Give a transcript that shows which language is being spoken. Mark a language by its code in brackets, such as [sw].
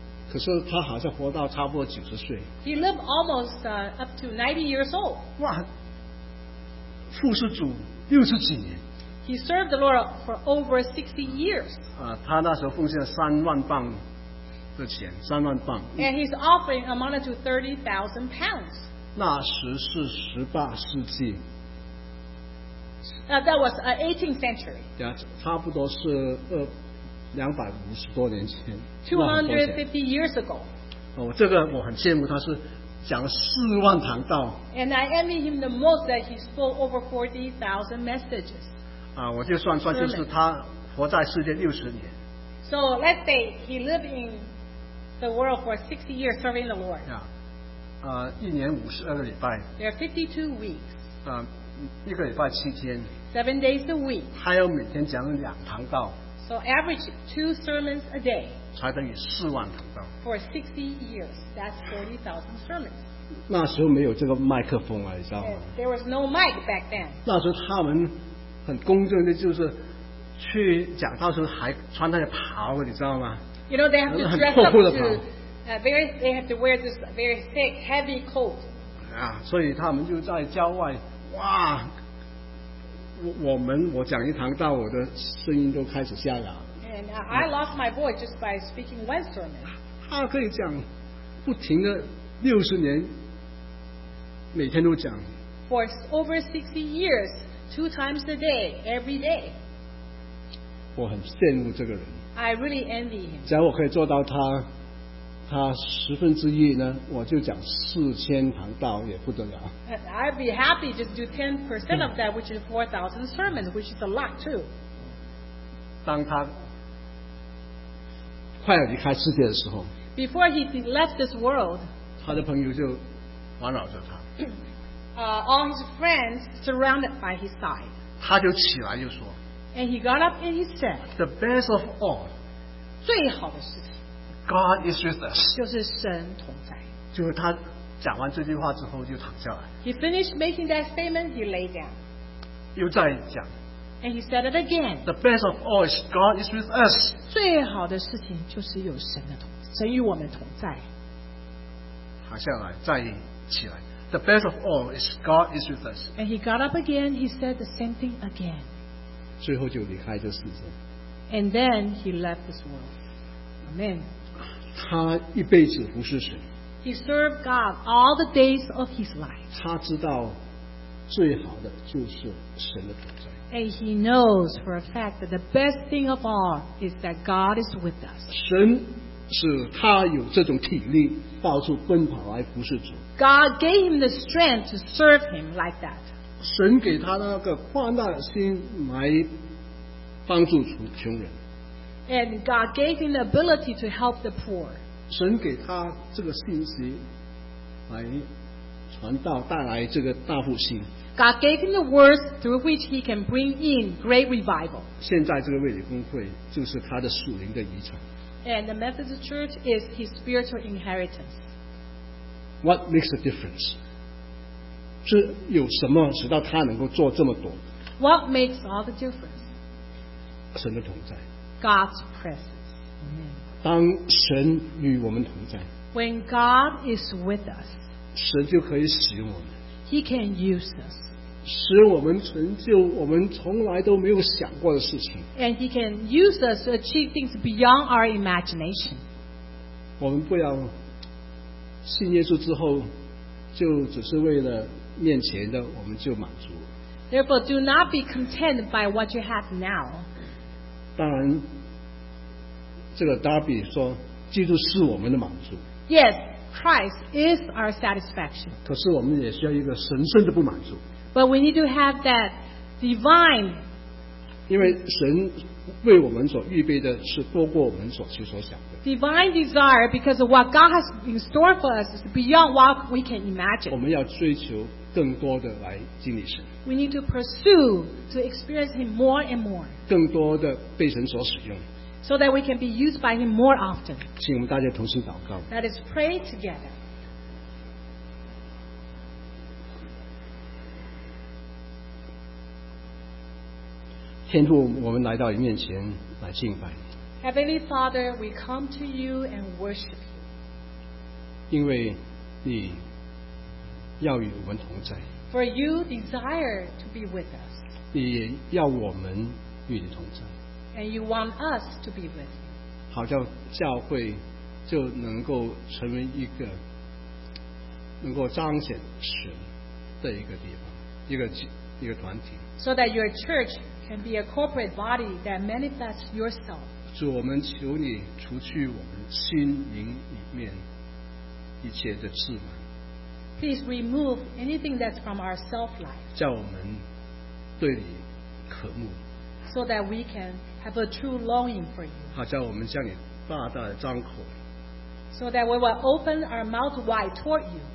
[zh] 可是他好像活到差不多90岁。 [en] He lived almost up to 90 years old. [zh] 哇，服侍主60几年。 [en] He served the Lord for over 60 years. [zh] 他那时候奉献3万磅。3万磅 [en] And he's offering amounted to 30,000 pounds. [zh] 那时是18世纪。 [en] That was an 18th century. [zh] 差不多是250多年前。 [en] 250 years ago. [zh] 这个我很羡慕，他是讲4万堂道。 [en] And I envy him the most that he spoke over 40,000 messages. [zh] 我就算算就是他活在世界60年。 [en] So let's say he lived in the world for 60 years serving the Lord. Yeah. [zh] 一年52个礼拜。 [en] There are 52 weeks. [zh] 一个礼拜7天。 [en] 7 days a week. [zh] 还要每天讲2堂道。 [en] So average 2 sermons a day. [zh] 才等于4万堂道。 [en] For 60 years, that's 40,000 sermons. [zh] 那时候没有这个麦克风啊，你知道吗？ [en] There was no mic back then. [zh] 那时候他们很公正的，就是去讲道的时候还穿那个袍，你知道吗？ [en] You know, they have to dress up to, they have to wear this very thick, heavy coat. [zh] 所以他们就在郊外，哇，我讲一堂道，我的声音都开始下哑。 [en] And I lost my voice just by speaking one sermon. [zh] 他可以讲不停的60年，每天都讲。 [en] For over 60 years, 2 times a day, every day. [zh] 我很羡慕这个人。 [en] I really envy him. [zh] 假如我可以做到他十分之一呢，我就讲4000堂道也不得了。 [en] I'd be happy just do 10% of that, which is 4,000 sermons, which is a lot too. [zh] 当他快要离开世界的时候 [en] ，Before he left this world, [zh] 他的朋友就环绕着他。 [en] All his friends surrounded by his side. [zh] 他就起来就说。 [en] And he got up and he said, "The best of all, [zh] 最好的事情 [en] God is with us, [zh] 就是神同在。就是他讲完这句话之后就躺下来。 [en] He finished making that statement, he lay down. [zh] 又再讲。 [en] And he said it again. The best of all is God is with us. [zh] 最好的事情就是有神的同，神与我们同在。好，下来，再起来。 [en] The best of all is God is with us. And he got up again. He said the same thing again. [zh] 最后就离开这世界。 [en] And then he left this world. Amen. [zh] 他一辈子服侍神。 [en] He served God all the days of his life. [zh] 他知道最好的就是神的同在。 [en] And he knows for a fact that the best thing of all is that God is with us. [zh] 神使他有这种体力到处奔跑来服侍主。 [en] God gave him the strength to serve him like that. [zh] 神给他那个宽大的心来帮助穷人。 [en] And God gave him the ability to help the poor. [zh] 神给他这个信息来传道，带来这个大复兴。 [en] God gave him the words through which he can bring in great revival. [zh] 现在这个卫理公会就是他的属灵的遗产。 [en] And the Methodist Church is his spiritual inheritance. What makes a difference? [zh] 是有什么使到他能够做这么多？ [en] What makes all the difference? [zh] 神的同在。 [en] God's presence. [zh] 当神与我们同在。 [en] When God is with us. [zh] 神就可以使用我们。 [en] He can use us. [zh] 使我们成就我们从来都没有想过的事情。 [en] And he can use us to achieve things beyond our imagination. [zh] 我们不要信耶稣之后就只是为了面前的我们就满足。 [en] Therefore, do not be content by what you have now. [zh] 当然，这个Darby说，基督是我们的满足。 [en] Yes. Christ is our satisfaction. [zh] 可是我们也需要一个神圣的不满足。 [en] But we need to have that divine. [zh] 因为神为我们所预备的是多过我们所求所想的。 [en] Divine desire, because what God has in store for us is beyond what we can imagine. [zh] 我们要追求更多的来经历神。 [en] We need to pursue to experience Him more and more. [zh] 更多的被神所使用。 [en] So that we can be used by Him more often. [zh] 请我们大家同心祷告。 [en] Let us pray together. [zh] 天父，我们来到你面前来敬拜。 [en] Heavenly Father, we come to you and worship you. [zh] 因为你要与我们同在。 [en] For you desire to be with us. [zh] 你要我们与你同在。 [en] And you want us to be with you. [zh] 好像教会就能够成为一个能够彰显神的一个地方，一个团体。 [en] So that your church can be a corporate body that manifests yourself. [zh] 主，我们求你除去我们心灵里面一切的自满。 [en] Please remove anything that's from our self-life. [zh] 叫我们对你渴慕。 [en] So that we can have a true longing for you. [zh] 好叫我们向你大大的张口。 [en] So that we will open our mouth wide toward you.